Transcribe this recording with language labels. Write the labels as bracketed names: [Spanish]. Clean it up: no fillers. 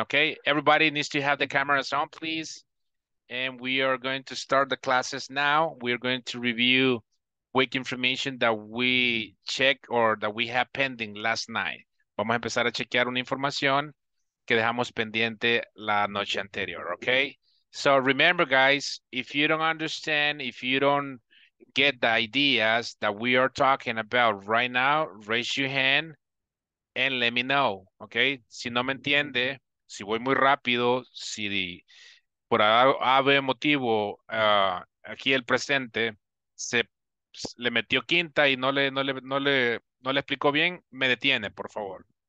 [English] Okay, everybody needs to have the cameras on, please. And we are going to start the classes now. We're going to review quick information that we check or that we have pending last night. [Spanish] Vamos a empezar a chequear una información que dejamos pendiente la noche anterior. [English] Okay, so remember, guys, if you don't understand, if you don't get the ideas that we are talking about right now, raise your hand. And let me know, okay? [Spanish] Si no me entiende, si voy muy rápido, si por ave motivo aquí el presente se le metió quinta y no le explicó bien, me detiene, por favor.